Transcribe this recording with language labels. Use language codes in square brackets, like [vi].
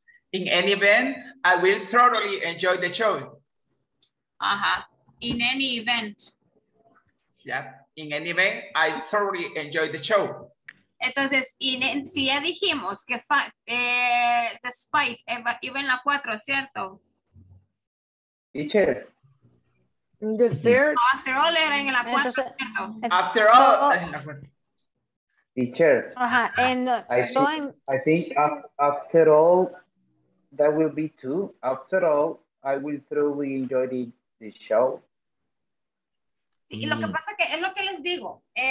[en] In any event, I will thoroughly enjoy the show. Ajá. In any event. Yeah. In any event, I thoroughly enjoy the show. [es] Entonces, si ya dijimos que despite, iba en la cuatro, ¿cierto? [en] Teacher. The third. [es] No, [en] after all, [es] era en la cuatro, ¿cierto? [en] After all. Teacher. Ajá. I think after all, that will be two. After all, I will truly enjoy the show. [es] Sí, y lo que pasa que es lo que les digo.